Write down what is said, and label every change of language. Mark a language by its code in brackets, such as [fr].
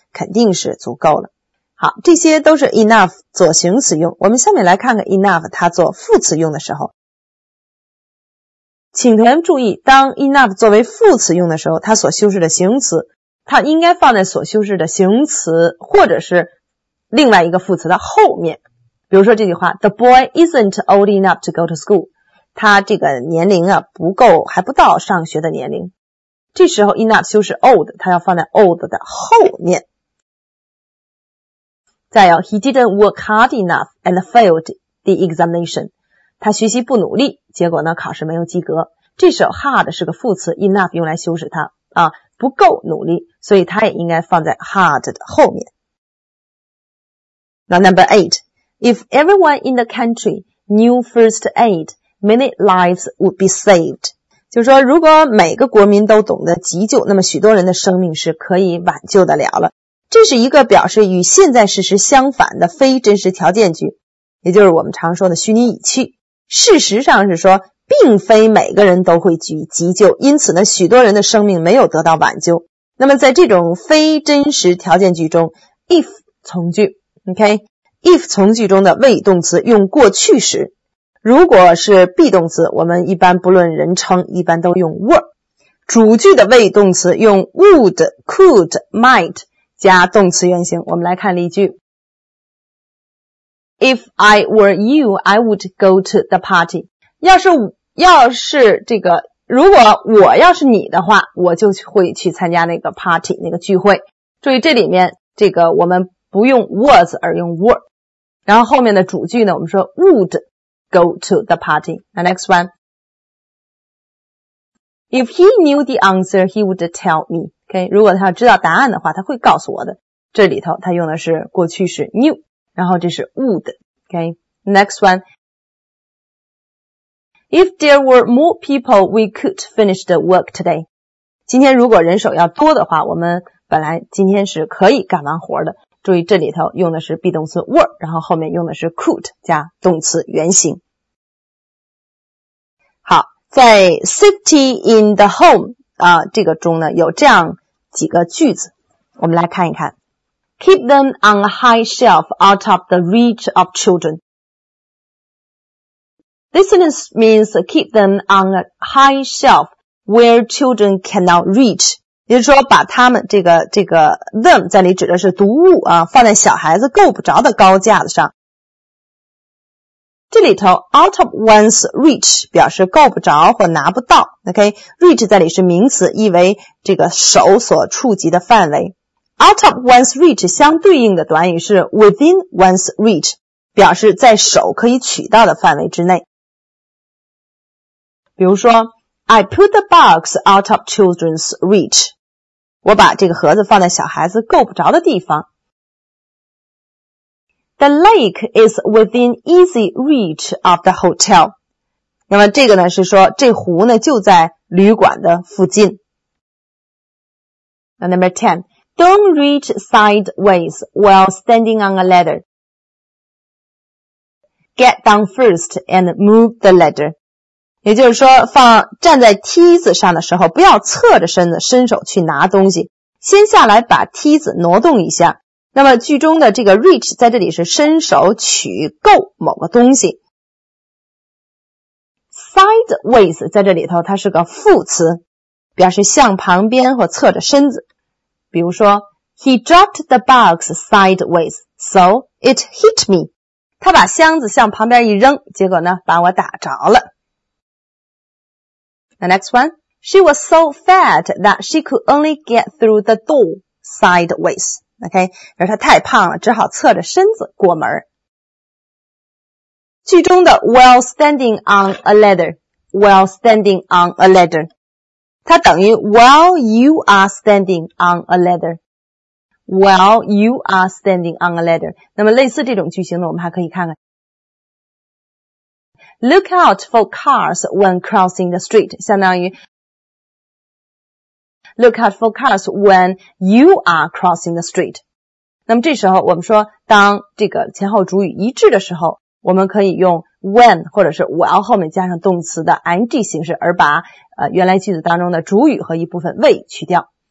[zh] 肯定是足够了。好，这些都是 enough 做形容词用。我们下面来看看 enough 它做副词用的时候。请同学们注意，当 enough 作为副词用的时候，它所修饰的形容词，它应该放在所修饰的形容词或者是另外一个副词的后面。比如说这句话 [en] ,The boy isn't old enough to go to school. [zh] 他这个年龄啊不够，还不到上学的年龄。这时候 enough 修饰 old, 它要放在 old 的后面。再有 [en] He didn't work hard enough and failed the examination. [zh] 他学习不努力，结果呢考试没有及格。这时候 hard 是个副词， enough 用来修饰它啊，不够努力，所以它也应该放在 hard 的后面。 [en] 那 number 8, If everyone in the country knew first aid, many lives would be saved. [zh] 就是说如果每个国民都懂得急救，那么许多人的生命是可以挽救得了了。这是一个表示与现在事实相反的非真实条件句，也就是我们常说的虚拟语气。事实上是说并非每个人都会去急救，因此呢许多人的生命没有得到挽救。那么在这种非真实条件句中 if 从句 OK, if 从句中的谓动词用过去时，如果是 be 动词我们一般不论人称一般都用 were, 主句的谓动词用 would, could, might,加动词原形。我们来看例句。 [en] If I were you, I would go to the party. [zh] 要是这个如果我要是你的话，我就会去参加那个 party 那个聚会。注意这里面这个我们不用 was 而用 were。然后后面的主句呢我们说 [en] would go to the party. The next one. If he knew the answer, he would tell me. [zh] Okay, 如果他要知道答案的话，他会告诉我的。这里头他用的是过去式 knew， 然后这是 would。 [en] Okay, next one. If there were more people, we could finish the work today. [zh] 今天如果人手要多的话，我们本来今天是可以干完活的。注意这里头用的是 be 动词 were， 然后后面用的是 could 加动词原形。 [en] 好，在 safety in the home。 [zh] 啊，这个中呢有这样几个句子，我们来看一看。 [en] Keep them on a high shelf out of the reach of children. This sentence means keep them on a high shelf where children cannot reach. [zh] 也就是说把他们这个 them 在里指的是读物啊，放在小孩子够不着的高架子上。这里头 [en] out of one's reach [zh] 表示够不着或拿不到， OK， reach 在里是名词，意为这个手所触及的范围。 [en] out of one's reach [zh] 相对应的短语是 [en] within one's reach， [zh] 表示在手可以取到的范围之内。比如说 [en] I put the box out of children's reach， [zh] 我把这个盒子放在小孩子够不着的地方。 [en] The lake is within easy reach of the hotel. [zh] 那么这个呢是说这湖呢就在旅馆的附近。 [en] Now, number 10. Don't reach sideways while standing on a ladder. Get down first and move the ladder. [zh] 也就是说站在梯子上的时候不要侧着身子伸手去拿东西。先下来把梯子挪动一下。那么句中的这个 reach 在这里是伸手取够某个东西。 Sideways 在这里头它是个副词，表示向旁边或侧着身子。比如说 [en] He dropped the box sideways, so it hit me. [zh] 他把箱子向旁边一扔，结果呢把我打着了。 [en] The next one. She was so fat that she could only get through the door sideways. [zh] OK， 而他太胖了只好侧着身子过门。句中的 [en] while standing on a ladder， while standing on a ladder， [zh] 它等于 [en] while you are standing on a ladder， while you are standing on a ladder。 [zh] 那么类似这种句型呢，我们还可以看看 [en] look out for cars when crossing the street， [zh] 相当于 [en] Look out for cars when you are crossing the street. [zh] 那么这时候我们说当这个前后主语一致的时候，我们可以用 when 或者是 while 后面加上动词的 ing 形式，而把原来句子当中的主语和一部分 will 去掉。